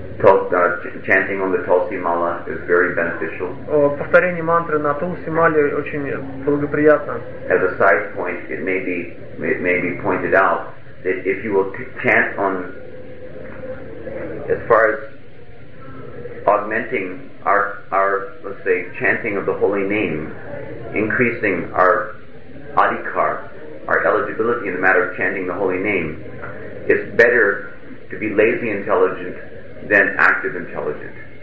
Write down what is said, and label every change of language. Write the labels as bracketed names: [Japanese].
[English] Chanting on the Tulsi Mala is very beneficial. [Russian] Повторение мантры на Тулси Мале очень благоприятно. [English] As a side point, it may be pointed out that if you will chant on, as far as augmenting our let's say chanting of the holy name, increasing our adhikar, our eligibility in the matter of chanting the holy name, it's better to be lazy intelligent than active intelligent.